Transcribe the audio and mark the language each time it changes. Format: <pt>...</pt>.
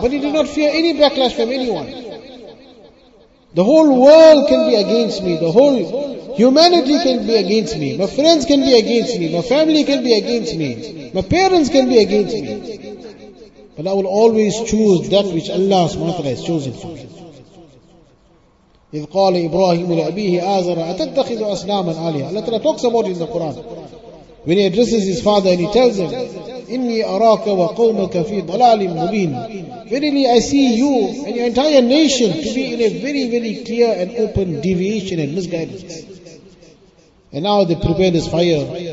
<en>But he did not fear any backlash from anyone. The whole world can be against me. The whole humanity can be against me. My friends can be against me. My family can be against me. My parents can be against me. But I will always choose that which Allah subhanahu wa ta'ala has chosen for me.</en> <ar>إذ قال إبراهيم لأبيه آزر أتتخذ أصناما آلهة.</ar> <en>Allah Ta'ala talks about it in the Quran. When he addresses his father and he tells him,</en> <ar>إني أراك وقومك في ضلال مبين.</ar> <en>Verily I see you and your entire nation to be in a very, very clear and open deviation and misguidance. And now they prepare this fire.</en>